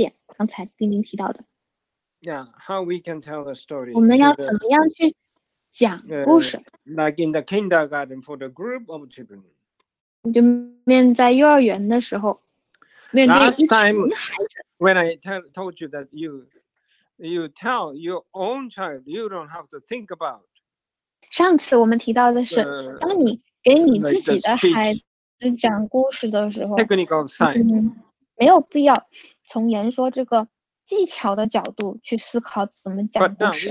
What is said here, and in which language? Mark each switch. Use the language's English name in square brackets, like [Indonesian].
[Chinese] 好，那接下来呢，我们就先讲第三点，刚才丁丁提到的。 [English] Yeah, how we can tell the story. [Chinese] 我们要怎么样去讲故事？ [English] Like in the kindergarten for the group of children. [Chinese] 就面在幼儿园的时候， [English] Last time, when I told you that you tell your own child, you don't have to think about. [Chinese] 上次我们提到的是，当你给你自己的孩子讲故事的时候， [English] technical side， [Chinese] 没有必要从言说这个技巧的角度去思考怎么讲故事。